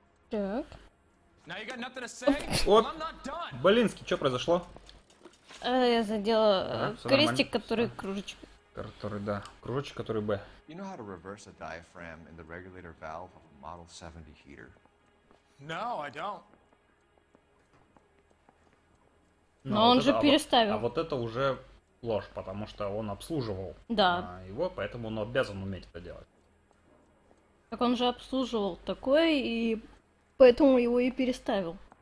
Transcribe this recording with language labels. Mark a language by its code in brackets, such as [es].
[ru] Так. [en] Now you got nothing to say? Well, I'm not done. [ru] Блинский, что произошло? Я задела крестик, который кружочек. Который, да. Кружочек, который Б. [en] You know how to reverse a diaphragm in the regulator valve of a Model 70 heater? No, I don't. [ru] Но вот он это, же переставил. А вот это уже ложь, потому что он обслуживал его, поэтому он обязан уметь это делать. Так он же обслуживал такой, и поэтому его и переставил.